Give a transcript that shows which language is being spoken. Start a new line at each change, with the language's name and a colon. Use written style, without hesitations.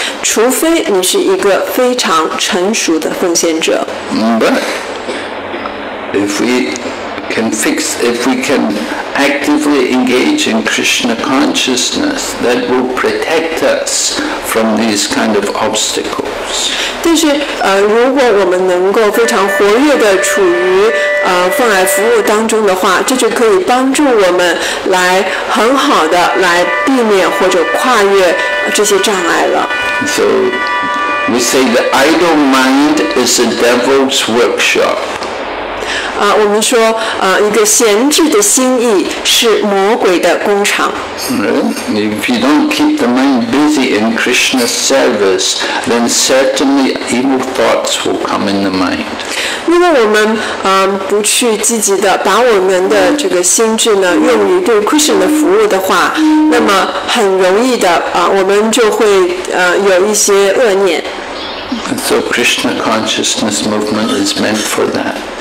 Chinese: 除非你是一个非常成熟的奉献者。
English: But if we can actively engage in Krishna consciousness, that will protect us from these kind of obstacles.
Chinese: 但是，如果我们能够非常活跃的处于奉爱服务当中的话，这就可以帮助我们来很好的来避免或者跨越这些障碍了。
English: So we say the idle mind is the devil's workshop.
Chinese: 我们说一个闲置的心意是魔鬼的工厂。
English: If you don't keep the mind busy in Krishna's service, then certainly evil thoughts will come in the mind.
Chinese: 如果我们不去积极的把我们的这个心智呢用于对 Krishna 的服务的话，那么很容易的我们就会有一些恶念。
English: So Krishna consciousness movement is meant for that.